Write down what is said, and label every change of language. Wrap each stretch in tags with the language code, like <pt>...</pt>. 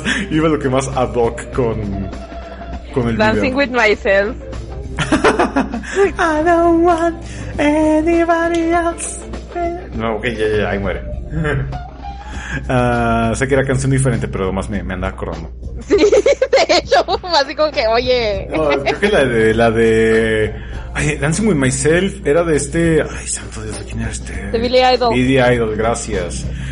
<es>Iba lo que más ad hoc con el</es> <en>Dancing with myself. I don't want anybody else.</en> <es>No, ok, ya, ahí muere. Sé que era canción diferente, pero más me andaba acordando. Sí, de hecho, así como que, oye. No, creo que la de ay, Dancing with Myself era de este. Ay, santo Dios, ¿quién era este? De Billy Idol. Billy Idol, gracias.</es>